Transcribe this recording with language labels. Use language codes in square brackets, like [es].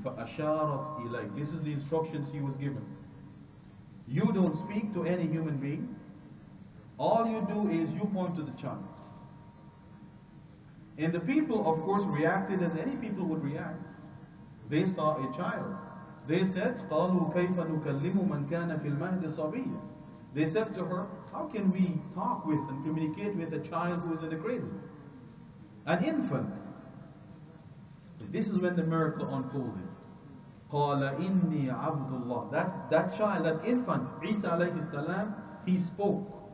[ar] فَأَشَارَتْ إِلَيْهِ. [en] This is the instructions he was given. You don't speak to any human being. All you do is you point to the child. And the people, of course, reacted as any people would react. They saw a child. They said, [ar] قَالُوا كَيْفَ نُكَلِّمُ مَنْ كَانَ فِي الْمَهْدِ صَبِيًّا. [en] They said to her, how can we talk with and communicate with a child who is in the cradle? An infant. This is when the miracle unfolded. [ar] قَالَ إِنِّي عَبْدُ اللَّهِ. [en] That child, that infant, Isa alayhi salam, he spoke.